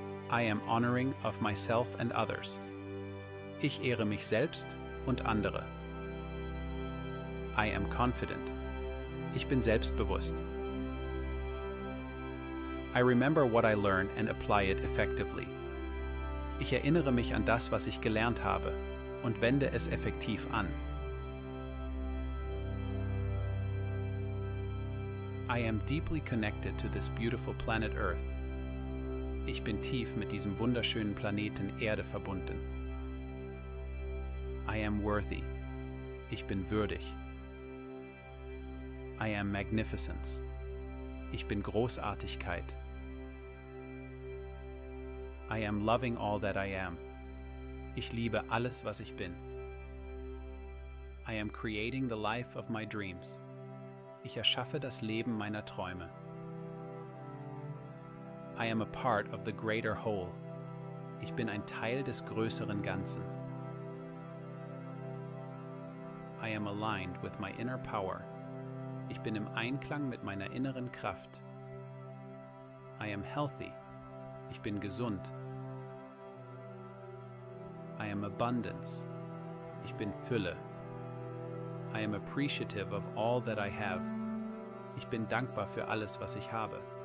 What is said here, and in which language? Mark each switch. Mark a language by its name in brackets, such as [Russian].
[English] I am honoring of myself and others. [German] Ich ehre mich selbst und andere. [English] I am confident. [German] Ich bin selbstbewusst. [English] I remember what I learn and apply it effectively. [German] Ich erinnere mich an das, was ich gelernt habe, und wende es effektiv an. [English] I am deeply connected to this beautiful planet Earth. [German] Ich bin tief mit diesem wunderschönen Planeten Erde verbunden. [English] I am worthy. [German] Ich bin würdig. [English] I am magnificence. [German] Ich bin Großartigkeit. [English] I am loving all that I am. [German] Ich liebe alles, was ich bin. [English] I am creating the life of my dreams. [German] Ich erschaffe das Leben meiner Träume. [English] I am a part of the greater whole. [German] Ich bin ein Teil des größeren Ganzen. [English] I am aligned with my inner power. [German] Ich bin im Einklang mit meiner inneren Kraft. [English] I am healthy. [German] Ich bin gesund. [English] I am abundance. [German] Ich bin Fülle. [English] I am appreciative of all that I have. [German] Ich bin dankbar für alles, was ich habe.